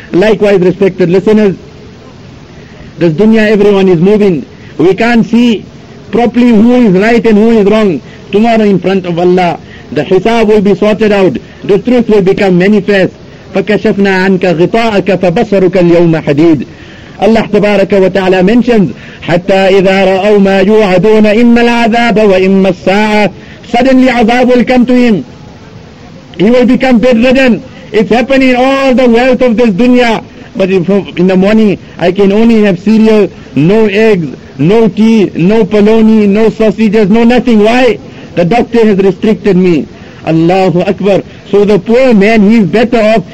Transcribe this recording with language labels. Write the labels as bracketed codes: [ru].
[en] Likewise, respected listeners, this dunya, everyone is moving. We can't see properly who is right and who is wrong. Tomorrow in front of Allah, the hisab will be sorted out, the truth will become manifest. [ar] فَكَشَفْنَا عَنْكَ غِطَاءَكَ فَبَصَرُكَ الْيَوْمَ حَدِيدٌ. Allah تبارك وتعالى [en] mentions, [ar] حَتَّى إِذَا رَأَوْا مَا يُوعَدُونَ إِمَّا الْعَذَابَ وَإِمَّا السَّاعَةَ. [en] Suddenly azab will come to him. He will become bedridden. It's happening, all the wealth of this dunya. But if in the morning I can only have cereal, no eggs, no tea, no polony, no sausages, no nothing. Why? The doctor has restricted me. Allahu Akbar. So the poor man, he's better off.